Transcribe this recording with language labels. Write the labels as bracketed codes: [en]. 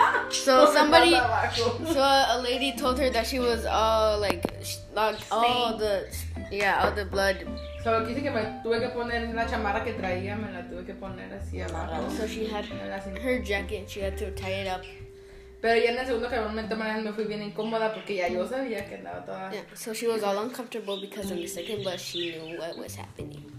[en] So somebody, so a lady told her that she was all like, all the blood. [es] So dice que me tuve que poner la chamarra que traía, me la tuve que poner así abajo. [en] So she had her jacket, she had to tie it up. [es] Pero ya en el segundo camión me fui bien incómoda porque ya yo sabía que andaba toda. [en] Yeah, so she was all uncomfortable because in the second bus she knew what was happening.